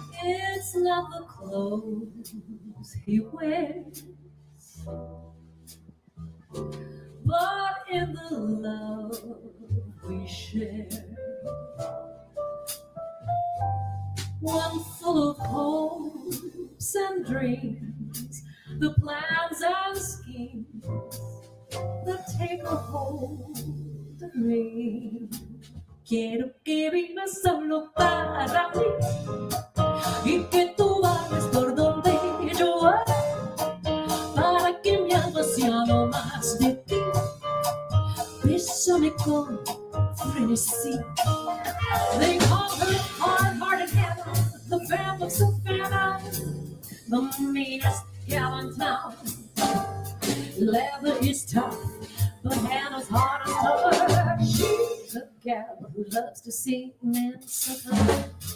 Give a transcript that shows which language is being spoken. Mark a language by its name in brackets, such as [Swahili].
[English] It's not the clothes he wears, but in the love we share. One full of hopes and dreams, the plans and schemes that take a hold of me. [Spanish] Quiero que vivas solo para mí, y que tú vayas por donde yo voy, para que me hagas ya no más de ti. Bésame con frenesí. [English] They call her hard-hearted Hannah, the fan of Savannah. the meanest gal in town. Leather is tough, but Hannah's hard on her. She's a gal who loves to see men suffer.